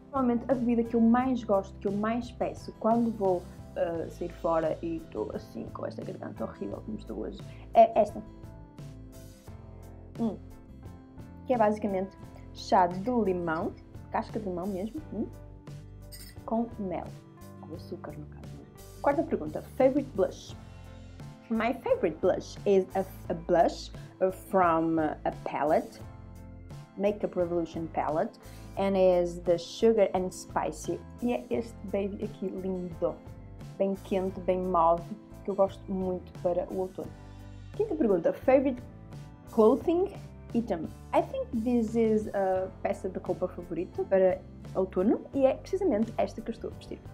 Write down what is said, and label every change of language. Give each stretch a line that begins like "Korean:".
Portuguese: Normalmente a bebida que eu mais gosto, que eu mais peço, quando vou sair fora e estou assim com esta garganta horrível como estou hoje, é esta. Que é basicamente chá de limão, casca de limão mesmo, com mel. Com açúcar, no caso. Quarta pergunta,
English: favorite blush. My favorite blush is a blush from a palette, Makeup Revolution palette, and is the Sugar and Spicy.
Portuguese: E é este baby aqui lindo, bem quente, bem mauve, que eu gosto muito para o outono. Quinta pergunta,
English: favorite clothing item. I think this is a
Portuguese: peça de roupa favorita para outono e é precisamente esta que eu estou a vestir.